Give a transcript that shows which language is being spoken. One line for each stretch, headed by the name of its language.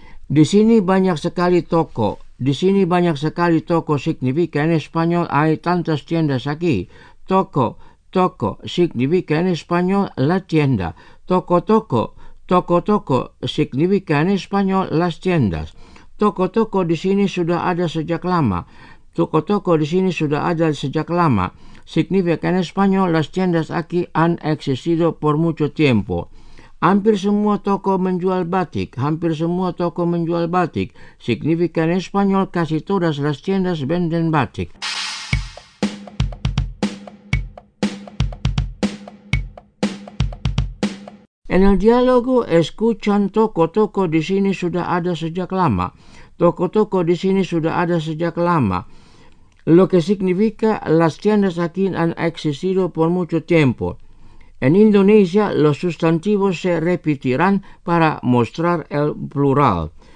Indonesian: Di sini banyak sekali toko. Di sini banyak sekali toko
Spanish: significa en español hay tantas tiendas aquí.
Indonesian: Toko.
Spanish: Toko significa en español la tienda. Toko toko. Toko toko significa en español las tiendas.
Indonesian: Toko toko di sini sudah ada sejak lama. Toko toko di sini sudah ada sejak lama.
Spanish: Significa en español las tiendas aquí han existido por mucho tiempo.
Indonesian: Hampir semua toko menjual batik. Hampir semua toko menjual batik.
Spanish: Significa en español casi todas las tiendas venden batik. En el diálogo escuchan
Indonesian: toko-toko di sini sudah ada sejak lama. Toko-toko di sini sudah ada sejak lama.
Spanish: Lo que significa las tiendas aquí han existido por mucho tiempo. En Indonesia los sustantivos se repetirán para mostrar el plural.